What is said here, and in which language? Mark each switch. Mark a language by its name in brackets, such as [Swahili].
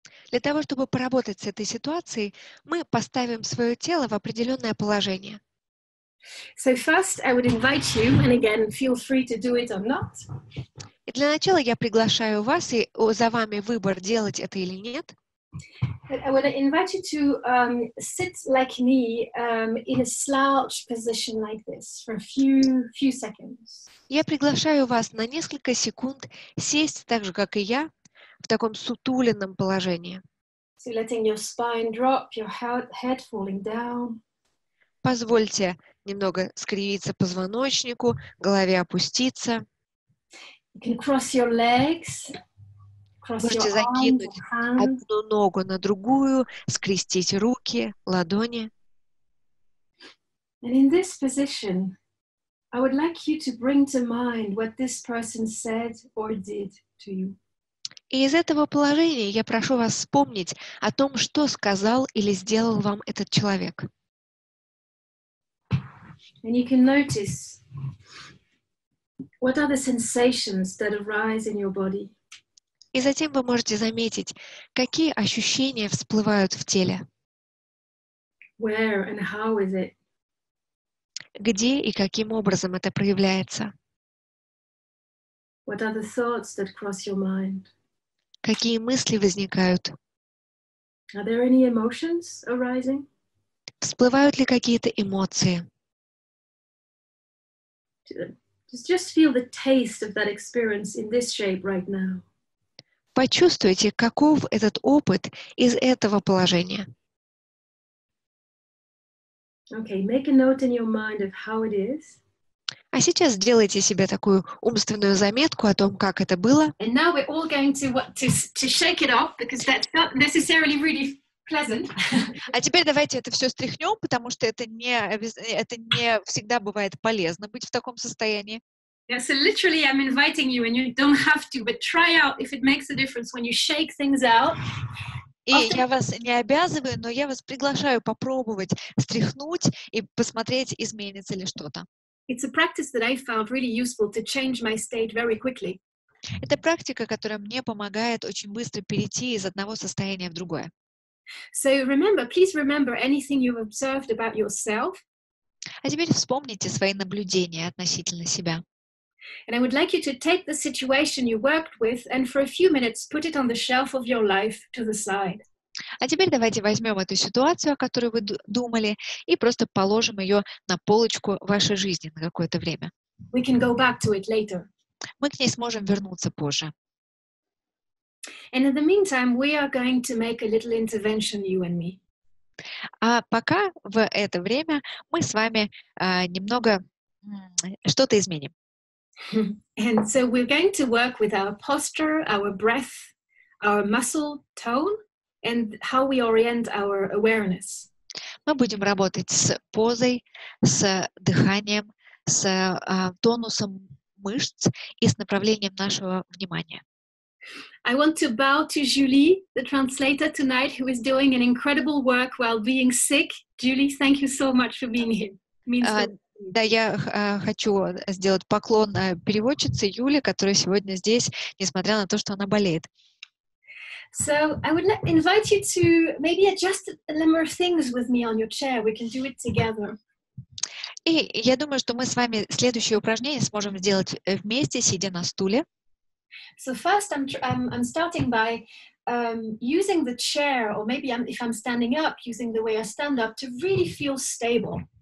[Russian] Для того, чтобы поработать с этой ситуацией, мы поставим свое тело в определенное положение. [English] So first I would invite you, and again, feel free to do it or not. [Russian] И для начала я приглашаю вас, и за вами выбор, делать это или нет. [English] I would invite you to sit like me in a slouch position like this for a few seconds. [Russian] Я приглашаю вас на несколько секунд сесть так же, как и я, в таком сутуленном положении. [English] So letting your spine drop, your head falling down. [Russian] Позвольте немного скривиться позвоночнику, голове опуститься. [English] You can cross your legs, cross [Russian] можете [English] your [Russian] закинуть [English] arms, [Russian] одну ногу на другую, скрестить руки, ладони. [English] And in this position, I would like you to bring to mind what this person said or did to you. [Russian] И из этого положения я прошу вас вспомнить о том, что сказал или сделал вам этот человек. [English] And you can notice what are the sensations that arise in your body? [Russian] И затем вы можете заметить, какие ощущения всплывают в теле. [English] Where and how is it? [Russian] Где и каким образом это проявляется? [English] What are the thoughts that cross your mind? [Russian] Какие мысли возникают? [English] Are there any emotions arising? [Russian] Всплывают ли какие-то эмоции? [English] Just feel the taste of that experience in this shape right now. [Russian] Почувствуйте, каков этот опыт из этого положения. [English] Okay, make a note in your mind of how it is. [Russian] А сейчас сделайте себе такую умственную заметку о том, как это было. [English] And now we're all going to shake it off because that's not necessarily really pleasant. [Russian] А теперь давайте это все стряхнем, потому что это не всегда бывает полезно быть в таком состоянии. [English] Yeah, so literally I'm inviting you, and you don't have to, but try out if it makes a difference when you shake things out. [Russian] И я вас не обязываю, но я вас приглашаю попробовать стряхнуть и посмотреть, изменится ли что-то. [English] It's a practice that I found really useful to change my state very quickly. [Russian] Это практика, которая мне помогает очень быстро перейти из одного состояния в другое. [English] So remember, please remember anything you've observed about yourself. [Russian] А теперь вспомните свои наблюдения относительно себя. [English] And I would like you to take the situation you worked with and for a few minutes put it on the shelf of your life to the side. [Russian] А теперь давайте возьмем эту ситуацию, о которой вы думали, и просто положим ее на полочку вашей жизни на какое-то время. [English] We can go back to it later. [Russian] Мы к ней сможем вернуться позже. [English] And in the meantime, we are going to make a little intervention, you and me. [Russian] А пока в это время мы с вами немного что-то изменим. [English] And so we're going to work with our posture, our breath, our muscle tone, and how we orient our awareness. [Russian] Мы будем работать с позой, с дыханием, с тонусом мышц и с направлением нашего внимания. [English] I want to bow to Julie, the translator tonight, who is doing an incredible work while being sick. Julie, thank you so much for being here. [Russian] Да, я хочу сделать поклон переводчице Юле, которая сегодня здесь, несмотря на то, что она болеет. [English] So I would invite you to maybe adjust a number of things with me on your chair. We can do it together. [Russian] И я думаю, что мы с вами следующее упражнение сможем сделать вместе, сидя на стуле. [English] So first I'm starting by using the chair, or maybe if I'm standing up, using the way I stand up to really feel stable.